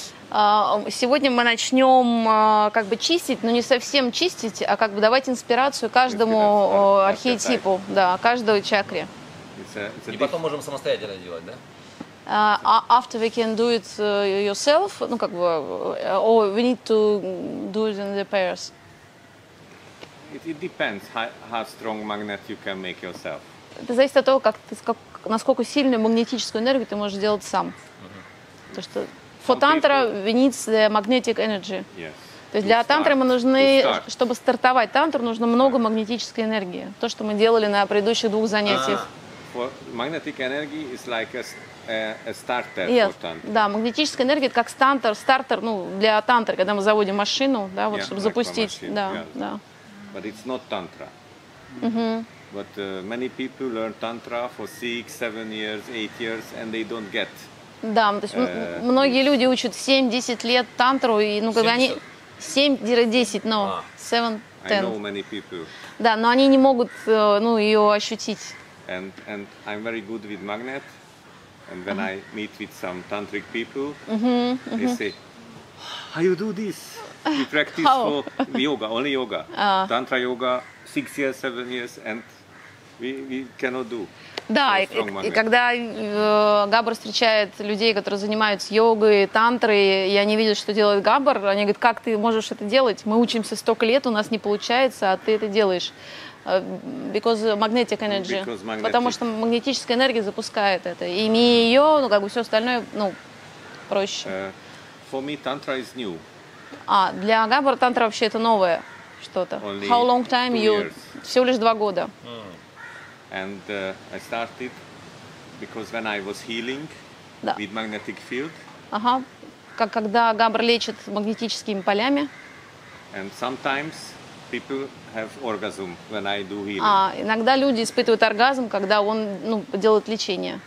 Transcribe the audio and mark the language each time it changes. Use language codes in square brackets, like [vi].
[ru] Сегодня мы начнем как бы чистить, но не совсем чистить, а как бы давать инспирацию каждому архетипу, да, каждой чакре. И потом можем самостоятельно делать, да? [en] After we can do it yourself, [ru] ну как бы, [en] or we need to do it in the pairs. It depends how strong magnet you can make yourself. [ru] Это зависит от того, насколько сильную магнетическую энергию ты можешь делать сам. То что [en] for tantra we need the magnetic energy. Yes. [ru] То есть для тантры мы нужны, чтобы стартовать тантру, нужно много магнетической энергии. То, что мы делали на предыдущих двух занятиях. [en] Magnetic energy is like a starter for tantra. [ru] Да, магнетическая энергия это как стартер, ну для тантры, когда мы заводим машину, да, вот чтобы запустить, да. [en] But it's not tantra. Mm-hmm. But many people learn tantra for 6, 7 years, 8 years, and they don't get. [ru] Да, то есть многие люди учат 7-10 лет тантру, и ну когда 70. Они 7-10, но 7-10. [en] I know many people. [ru] Да, но они не могут ну ее ощутить. [en] And I'm very good with magnet, and when I meet with some tantric people, they say, how you do this? We practice how? For yoga, only yoga. Tantra yoga 6 years, 7 years, and we cannot do. [ru] Да, и когда Габар встречает людей, которые занимаются йогой, тантрой, и они видят, что делает Габар, они говорят, как ты можешь это делать? Мы учимся столько лет, у нас не получается, а ты это делаешь. [en] Because magnetic energy. Because magnetic. [ru] Потому что магнетическая энергия запускает это. И имея ее, ну как бы все остальное, ну, проще. [en] For me, tantra is new. [ru] А, для Габар тантра вообще это новое что-то. [en] Only how long time you? Years. [ru] Всего лишь 2 года. [en] And I started because when I was healing with magnetic field. [ru] Ага, как когда Габар лечит магнетическими полями. [en] And sometimes people have orgasm when I do healing. [ru] А иногда люди испытывают оргазм, когда он ну делает лечение.